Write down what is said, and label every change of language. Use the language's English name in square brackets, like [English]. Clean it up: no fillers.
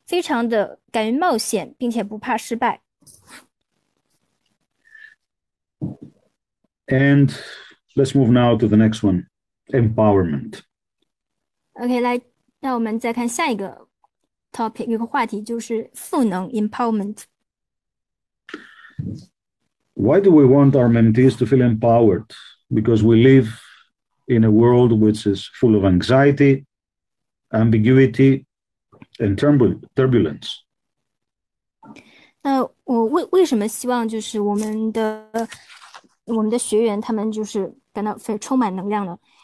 [Chinese] 那这个时候呢，就是思绪，你思绪就打开了，你会自己设想一些情境，然后这些情境呢，它是充满了创意，还有创造力。在这些情境当中呢，你非常的敢于冒险，并且不怕失败。 [English] And let's move now to the next one, empowerment. [Chinese] OK，来，那我们再看下一个 topic，一个话题就是赋能 empowerment。 [English] Why do we want our mentees to feel empowered? Because we live in a world which is full of anxiety, ambiguity, and turbulence. [Chinese] 那我为什么希望就是我们的学员他们就是感到非充满能量呢？